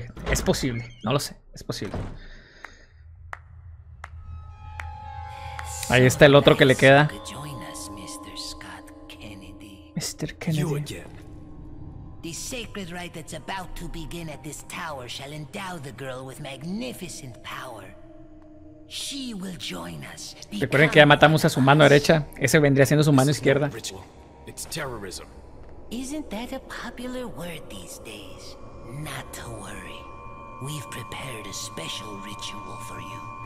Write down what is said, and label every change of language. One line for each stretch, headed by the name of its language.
Spanish: Es posible, gente. No lo sé, es posible. Ahí está el otro que le queda.
English: Mr. Scott Kennedy. Mr. Kennedy. You again. The sacred rite that's about to begin at this tower shall endow the girl with magnificent power. She will join us.
Spanish: Recuerden que ya matamos a su mano derecha. Ese vendría siendo su mano izquierda.
English: It's terrorism. Isn't that a popular word these days? Not to worry. We've prepared a special ritual for you.